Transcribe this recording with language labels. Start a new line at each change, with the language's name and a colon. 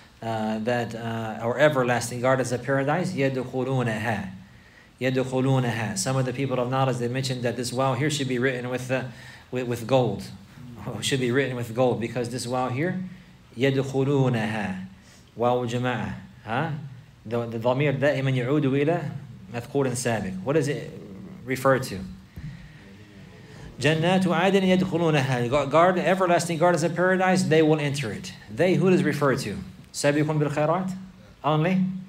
English: Or everlasting gardens of paradise. Yadkhulunaha. Yadkhulunaha. Some of the people of knowledge, they mentioned that this well here should be written with gold. Should be written with gold, because this well here,
Arabic: يَدْخُلُونَهَا وَاوْ جَمَعَةً.
English: The
Arabic: ضَمِير دَائِمًا يَعُودُ إِلَى مَذْكُورٍ سَابِقٍ.
English: What does it refer to?
Arabic: جَنَّاتُ عَدْنٍ يَدْخُلُونَهَا.
English: Garden, everlasting gardens of paradise, they will enter it. They, who does it refer to?
Arabic: سَابِقٌ بِالْخَيْرَاتِ
English: only?